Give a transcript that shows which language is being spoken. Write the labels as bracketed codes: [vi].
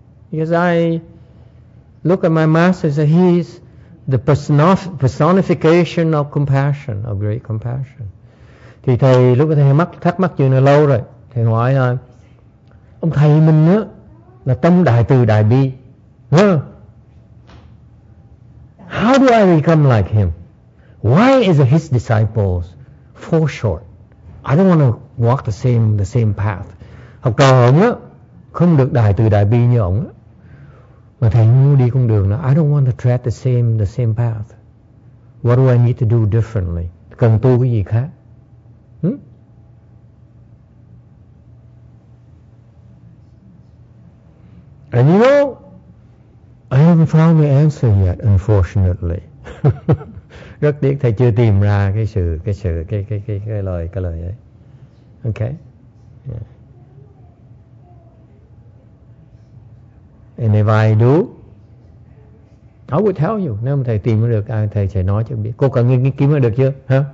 [en] Because I look at my master and say, he is the personification of compassion, of great compassion. [vi] Thì thầy, lúc thầy thắc mắc chuyện này lâu rồi, thầy hỏi là, ông thầy mình á, là tâm đại từ đại bi. [en] How do I become like him? Why is his disciples fall short? I don't want to walk the same path. [vi] Học trò ông á không được đại từ đại bi như ông á, mà thầy muốn đi con đường đó. [en] I don't want to tread the same path. What do I need to do differently? [vi] Cần tu cái gì khác? [en] And you know, I haven't found the answer yet, unfortunately. [vi] Rất tiếc thầy chưa tìm ra cái lời ấy. Okay. [en] Yeah. And if I do, I will tell you. [vi] Nếu mà thầy tìm được ai, thầy sẽ nói cho biết. Cô có nghiên cứu được chưa? Hả?